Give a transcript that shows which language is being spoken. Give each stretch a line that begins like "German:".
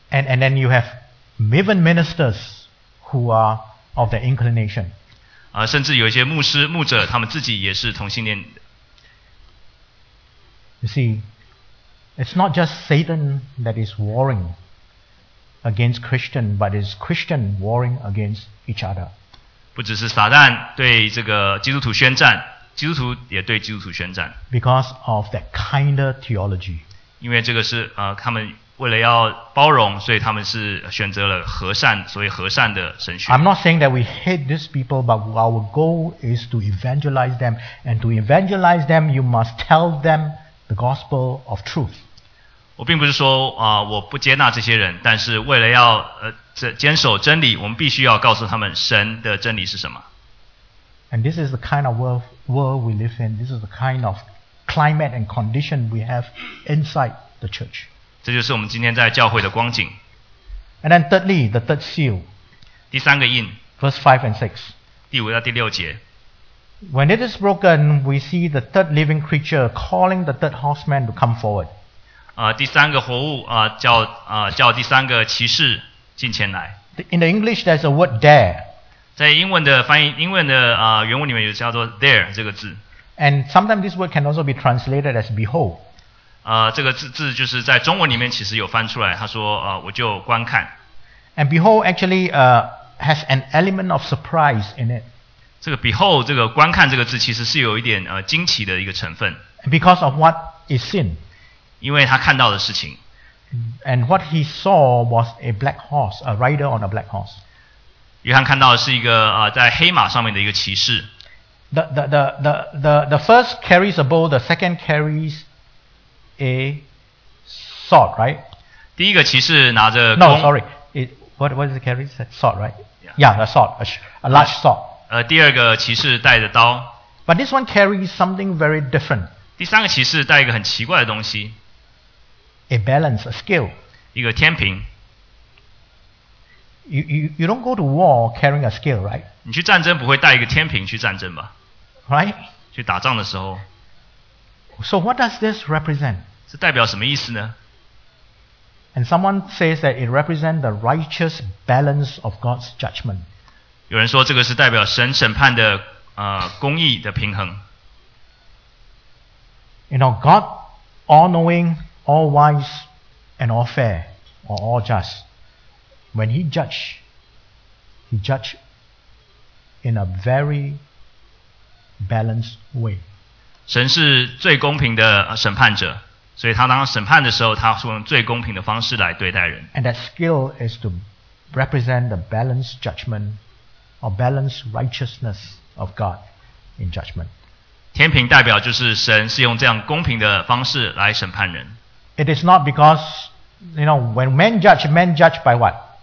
English: And then you have Maven ministers who are of their inclination.
Chinese: 甚至有一些牧师、牧者，他们自己也是同性恋。
English: You see, it's not just Satan that is warring against Christian, but it's Christian warring against each other.
Chinese: 不只是撒旦对这个基督徒宣战，基督徒也对基督徒宣战。
English: Because of that kinder theology.
Chinese: 因为这个是他们为了要包容，所以他们是选择了和善，所谓和善的神学。
English: I'm not saying that we hate these people, but our goal is to evangelize them. And to evangelize them, you must tell them the gospel of truth.
Chinese: 我并不是说我不接纳这些人，但是为了要坚守真理，我们必须要告诉他们神的真理是什么。
English: And this is the kind of world we live in. This is the kind of climate and condition we have inside the church.
Chinese: 这就是我们今天在教会的光景。
English: And then thirdly, the third seal.
Chinese: 第三个印。
English: Verse 5 and 6.
Chinese: 第五到第六节。
English: When it is broken, we see the third living creature calling the third horseman to come forward.
Chinese: 第三个活物叫第三个骑士进前来。
English: In the English, there's a word there.
Chinese: 在英文的翻译，英文的原文里面有叫做 there 这个字。
English: And sometimes this word can also be translated as behold.
Chinese: 这个字就是在中文里面其实有翻出来，他说我就观看。
English: And behold actually has an element of surprise in it.
Chinese: 这个 behold, 这个观看这个字其实是有一点惊奇的一个成分。
English: Because of what is seen.
Chinese: 因为他看到的事情。
English: And what he saw was a black horse, a rider on a black horse.
Chinese: 约翰看到的是一个在黑马上面的一个骑士。
English: The first carries a bow, the second carries a sword, right?
Chinese: 第一个骑士拿着弓。
English: No, sorry. What is it carries? Sword, right? Yeah, a sword, a large sword.
Chinese: 第二个骑士带着刀。
English: But this one carries something very different.
Chinese: 第三个骑士带一个很奇怪的东西。
English: A balance, a scale.
Chinese: 一个天平。
English: You don't go to war carrying a scale, right?
Chinese: 你去战争不会带一个天平去战争吧？
English: Right?
Chinese: 去打仗的时候。
English: So what does this represent?
Chinese: 这代表什么意思呢?
English: And someone says that it represents the righteous balance of God's judgment.
Chinese: 有人说这个是代表神审判的公义的平衡。
English: You know, God all-knowing, all-wise, and all-fair, or all-just. When he judged in a very balanced way.
Chinese: 神是最公平的审判者，所以他当审判的时候，他是用最公平的方式来对待人。
English: And that skill is to represent the balanced judgment or balanced righteousness of God in judgment.
Chinese: 天平代表就是神是用这样公平的方式来审判人。
English: It is not because, you know, when men judge by what?